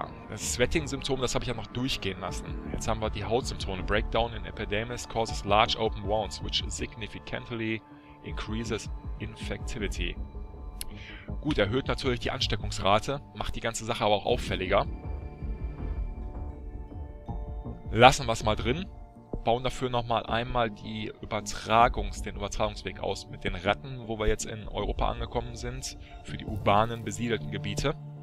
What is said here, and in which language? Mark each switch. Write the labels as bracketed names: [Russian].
[German] Das Sweating-Symptom, das habe ich ja noch durchgehen lassen. Jetzt haben wir die Hautsymptome. [English] Breakdown in Epidermis causes large open wounds, which significantly increases infectivity. [German] Gut, erhöht natürlich die Ansteckungsrate, macht die ganze Sache aber auch auffälliger. Lassen wir es mal drin. Bauen dafür nochmal einmal die den Übertragungsweg aus mit den Ratten, wo wir jetzt in Europa angekommen sind, für die urbanen besiedelten Gebiete.